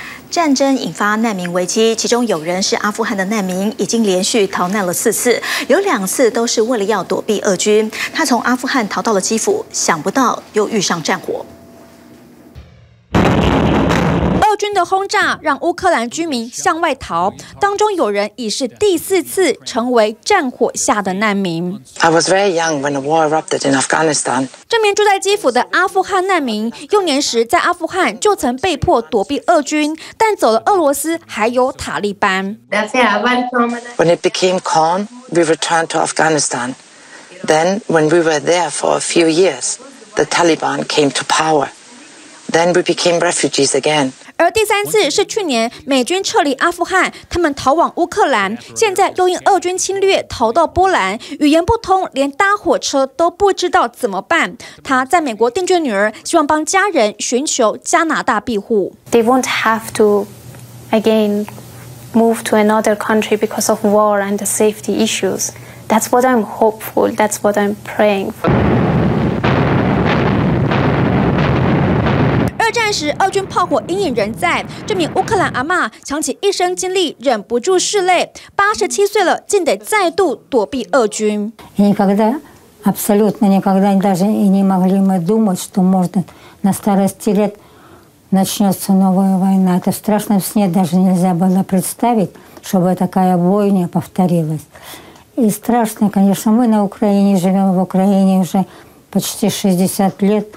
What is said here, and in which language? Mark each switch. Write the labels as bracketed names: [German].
[Chinese] 战争引发难民危机，其中有人是阿富汗的难民，已经连续逃难了4次，有2次都是为了要躲避俄军。他从阿富汗逃到了基辅，想不到又遇上战火。俄军的轰炸让乌克兰居民向外逃，当中有人已是第四次成为战火下的难民。 [English] I was very young when the war erupted in Afghanistan. [Chinese] 这名住在基辅的阿富汗难民，幼年时在阿富汗就曾被迫躲避俄军，但走了俄罗斯还有塔利班。 [English] When it became calm, we returned to Afghanistan. Then, when we were there for a few years, the Taliban came to power. Then we became refugees again. [Chinese] 而第三次是去年美军撤离阿富汗，他们逃往乌克兰，现在又因俄军侵略逃到波兰，语言不通，连搭火车都不知道怎么办。他在美国定居，女儿希望帮家人寻求加拿大庇护。 [English] They won't have to again move to another country because of war and the safety issues. That's what I'm hopeful. That's what I'm praying for. [Chinese] 战时俄军炮火阴影仍在，这名乌克兰阿嬷想起一生经历忍不住拭泪，87岁了竟得再度躲避俄军。 [Russian] никогда абсолютно никогда даже и не могли мы думать что можно на старости лет начнется новая война это страшно в сне даже нельзя было представить чтобы такая бойня повторилась и страшно конечно мы на украине живем в украине ужеPочти 60 лет.